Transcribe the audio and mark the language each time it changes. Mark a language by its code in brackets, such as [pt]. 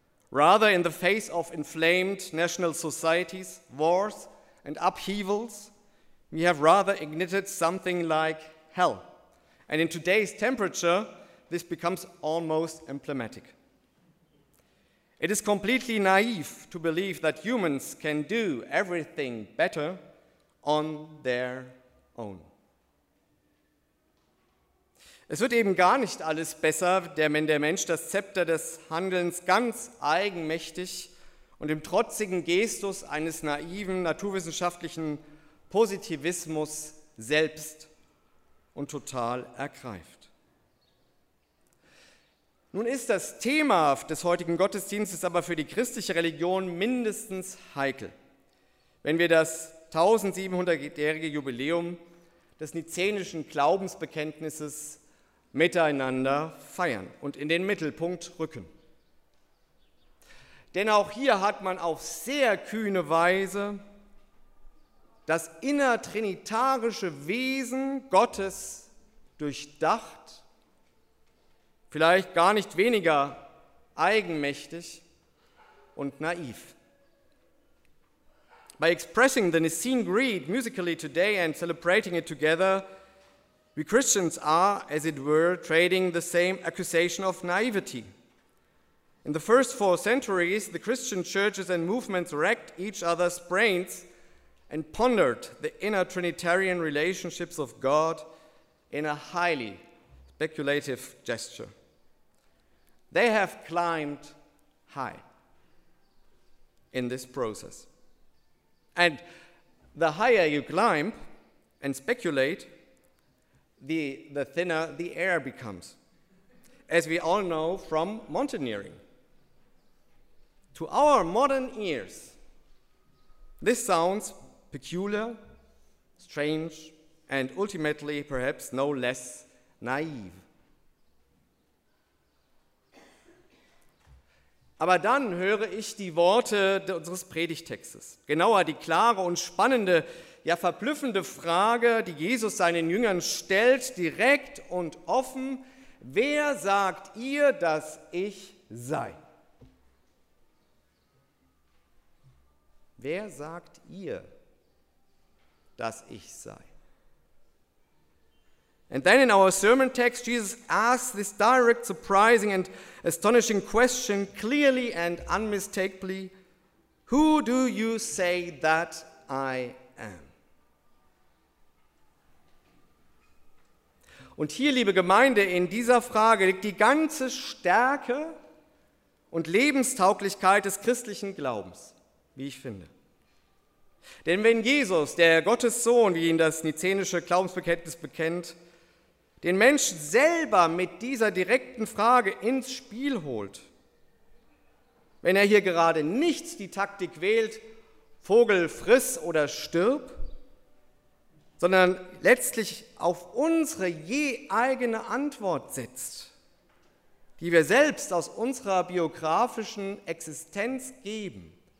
[en] Rather, in the face of inflamed national societies, wars, and upheavals, we have rather ignited something like hell. And in today's temperature, this becomes almost emblematic. It is completely naive to believe that humans can do everything better on their own. [de] Es wird eben gar nicht alles besser, wenn der Mensch das Zepter des Handelns ganz eigenmächtig und im trotzigen Gestus eines naiven naturwissenschaftlichen Positivismus selbst und total ergreift. Nun ist das Thema des heutigen Gottesdienstes aber für die christliche Religion mindestens heikel, wenn wir das 1700-jährige Jubiläum des nizänischen Glaubensbekenntnisses miteinander feiern und in den Mittelpunkt rücken. Denn auch hier hat man auf sehr kühne Weise das innertrinitarische Wesen Gottes durchdacht, vielleicht gar nicht weniger eigenmächtig und naiv. [en] By expressing the Nicene Creed musically today and celebrating it together, we Christians are, as it were, trading the same accusation of naivety. In the first four centuries, the Christian churches and movements racked each other's brains and pondered the inner Trinitarian relationships of God in a highly speculative gesture. They have climbed high in this process. And the higher you climb and speculate, the thinner the air becomes, as we all know from mountaineering. To our modern ears, this sounds peculiar, strange, and ultimately perhaps no less naive. [de] Aber dann höre ich die Worte unseres Predigttextes, genauer die klare und spannende, ja verblüffende Frage, die Jesus seinen Jüngern stellt, direkt und offen: Wer sagt ihr, dass ich sei? Wer sagt ihr, dass ich sei? [en] And then in our sermon text, Jesus asks this direct, surprising and astonishing question clearly and unmistakably: Who do you say that I am? [de] Und hier, liebe Gemeinde, in dieser Frage liegt die ganze Stärke und Lebenstauglichkeit des christlichen Glaubens, wie ich finde. Denn wenn Jesus, der Gottes Sohn, wie ihn das nizänische Glaubensbekenntnis bekennt, den Menschen selber mit dieser direkten Frage ins Spiel holt, wenn er hier gerade nicht die Taktik wählt, Vogel friss oder stirb, sondern letztlich auf unsere je eigene Antwort setzt, die wir selbst aus unserer biografischen Existenz geben.